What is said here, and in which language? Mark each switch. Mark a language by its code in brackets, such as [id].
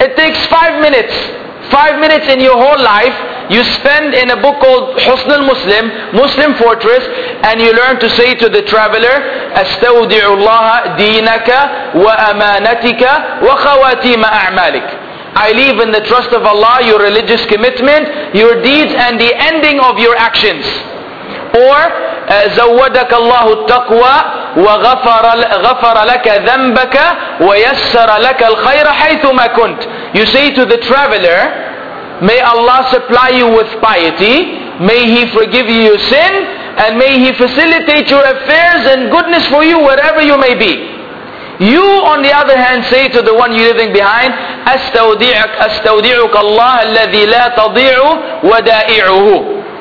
[en] It takes 5 minutes. 5 minutes in your whole life, you spend in a book called Husn al-Muslim, Muslim Fortress, and you learn to say to the traveler, [ar] أَسْتَوْدِعُ اللَّهَ دِينَكَ وَأَمَانَتِكَ وَخَوَاتِيمَ أَعْمَالِكَ. [en] I leave in the trust of Allah your religious commitment, your deeds, and the ending of your actions. [ar] Or, زودك الله التقوى وغفر لك ذنبك ويسر لك الخير حيثما كنت. [en] You say to the traveler, may Allah supply you with piety, may He forgive you your sin, and may He facilitate your affairs and goodness for you wherever you may be. You, on the other hand, say to the one you're leaving behind, [ar] أستودعك الله الذي لا تضيع ودائعه.